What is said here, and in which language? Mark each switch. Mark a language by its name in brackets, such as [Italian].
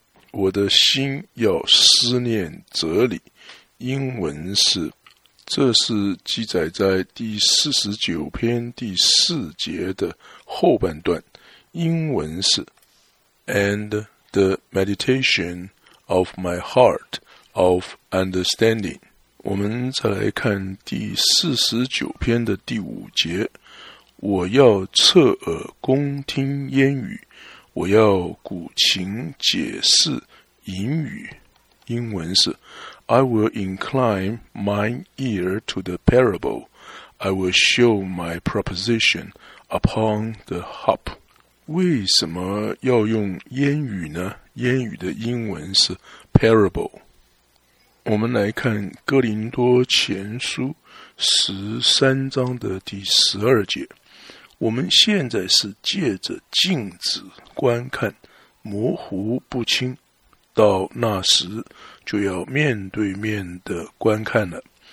[Chinese] 我的心要思念哲理，英文是，这是记载在第49篇第四节的后半段，英文是 [English] And the meditation of my heart of understanding。 [Chinese] 我们再来看第49篇的第五节，我要侧耳恭听言语，我要鼓琴解释淫语，英文是 [English] I will incline mine ear to the parable, I will show my proposition upon the harp。 [Chinese] 为什么要用言语呢？言语的英文是 parable。我们来看哥林多前书13章的第12节，我们现在是借着镜子观看，模糊不清，到那时就要面对面的观看了。